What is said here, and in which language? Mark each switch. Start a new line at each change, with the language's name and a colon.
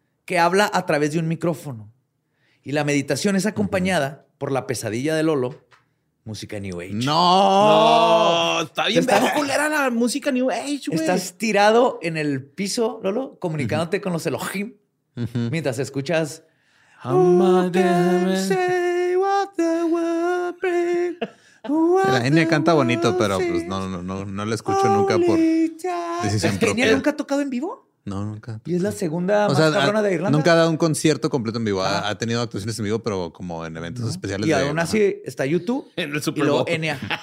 Spanish: que habla a través de un micrófono. Y la meditación es acompañada por La Pesadilla de Lolo, música New Age. ¡No! ¡No! ¡Está bien! ¡Está culera la música New Age, güey! Estás tirado en el piso, Lolo, comunicándote con los Elohim, mientras escuchas...
English: Who can say what the world bring?
Spanish: La Enya canta bonito, pero pues no la escucho nunca por decisión propia. ¿Enya nunca ha tocado en vivo? No, nunca. ¿Y es la segunda más cabrona de Irlanda? Nunca ha dado un concierto completo en vivo. Ha tenido actuaciones en vivo, pero como en eventos especiales. Y aún así está YouTube en el Super Bowl. Y luego Enya.